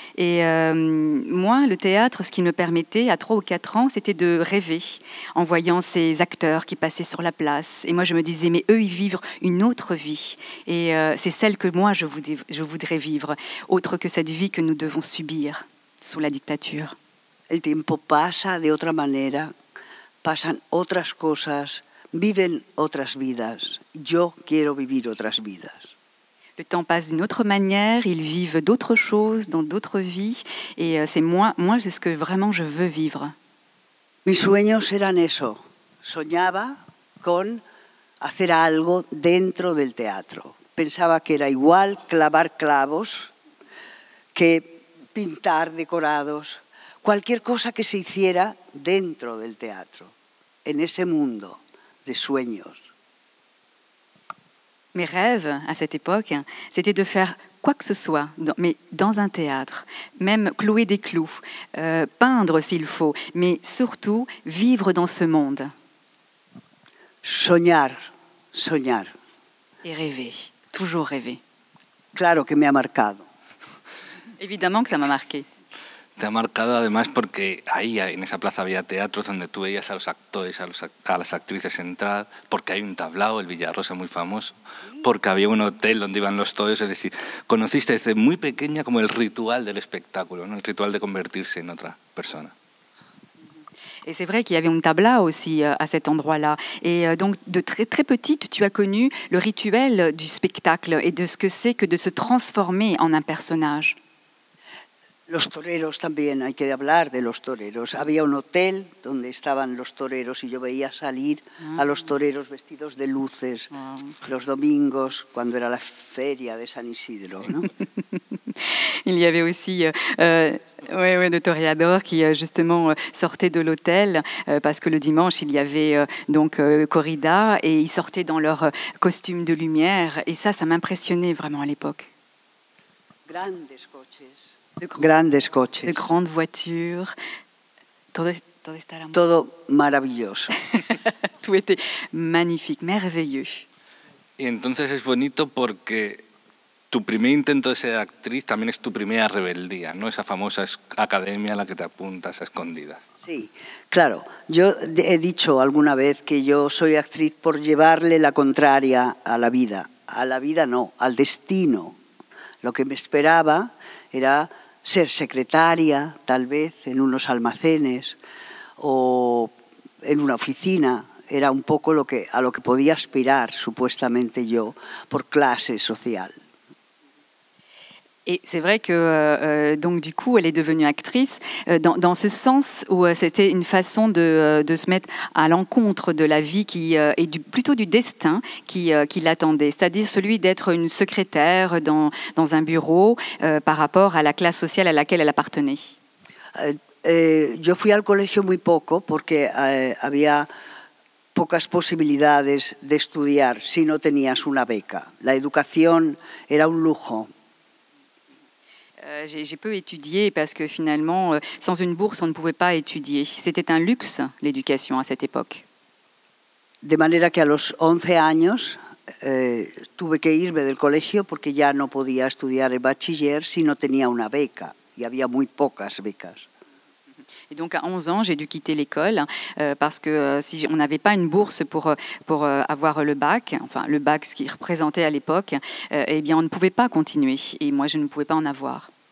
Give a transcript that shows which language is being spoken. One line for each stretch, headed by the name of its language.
French: Et moi le théâtre ce qui me permettait à 3 ou 4 ans c'était de rêver en voyant ces acteurs qui passaient sur la place. Et moi je me disais mais eux ils vivent une autre vie et c'est celle que moi je voudrais vivre autre que cette vie que nous devons subir sous la dictature.
Spanish: El tiempo pasa de otra manera, pasan otras cosas, viven otras vidas. Yo quiero vivir otras vidas.
French: Le temps passe d'une autre manière, ils vivent d'autres choses, dans d'autres vies, et c'est moi, c'est ce que vraiment je veux vivre.
Spanish: Mis sueños eran eso. Soñaba con hacer algo dentro del teatro. Pensaba que era igual clavar clavos que pintar decorados. Cualquier cosa que se hiciera dentro del teatro, en ese mundo de sueños.
French: Mes rêves à cette époque, c'était de faire quoi que ce soit, mais dans un théâtre, même clouer des clous, peindre s'il faut, mais surtout vivre dans ce monde.
Spanish: Soñar, soñar.
French: Et rêver, toujours rêver.
Spanish: Claro que me ha marcado.
French: Évidemment que ça m'a marqué.
Spanish: Te ha marcado además porque ahí en esa plaza había teatros donde tú veías a los actores, a las actrices entrar, porque hay un tablao, el Villarrosa muy famoso, porque había un hotel donde iban los toros, es decir, conociste desde muy pequeña como el ritual del espectáculo, ¿no? El ritual de convertirse en otra persona.
French: Et c'est vrai qu'il y avait un tabla aussi à cet endroit-là. Et donc, de très, très petite, tu as connu le rituel du spectacle et de ce que c'est que de se transformer en un personnage.
Spanish: Los toreros también, hay que hablar de los toreros. Había un hotel donde estaban los toreros y yo veía salir a los toreros vestidos de luces los domingos cuando era la feria de San Isidro, ¿no?
French: Il y avait aussi le Toréador qui justement sortait de l'hôtel parce que le dimanche il y avait corrida et ils sortaient dans leur costume de lumière et ça m'impressionnait vraiment à l'époque.
Spanish: Grandes coches. Grandes coches.
French: De grandes voitures.
Spanish: Todo estaba todo maravilloso.
French: Tout était magnifique, merveilleux.
Spanish: Y entonces es bonito porque tu primer intento de ser actriz también es tu primera rebeldía, ¿no? Esa famosa academia a la que te apuntas a escondidas. Sí, claro. Yo he dicho alguna vez que yo soy actriz por llevarle la contraria a la vida. A la vida no, al destino. Lo que me esperaba era ser secretaria, tal vez, en unos almacenes o en una oficina. Era un poco a lo que podía aspirar, supuestamente yo, por clase social.
French: Et c'est vrai que donc du coup elle est devenue actrice dans ce sens où c'était une façon de se mettre à l'encontre de la vie qui et plutôt du destin qui l'attendait, c'est-à-dire celui d'être une secrétaire dans un bureau par rapport à la classe sociale à laquelle elle appartenait.
Spanish: Je fui al colegio muy poco porque había pocas posibilidades de estudiar si no tenías una beca. La educación era un lujo.
French: J'ai peu étudié parce que finalement, sans une bourse, on ne pouvait pas étudier. C'était un luxe, l'éducation, à cette époque.
Spanish: De manera que a los 11 años, tuve que irme del colegio porque ya no podía estudiar el bachiller si no tenía una beca. Y había muy pocas becas.
French: Et donc, à 11 ans, j'ai dû quitter l'école parce que si on n'avait pas une bourse pour avoir le bac, enfin le bac, ce qui représentait à l'époque, eh bien, on ne pouvait pas continuer. Et moi, je ne pouvais pas en avoir.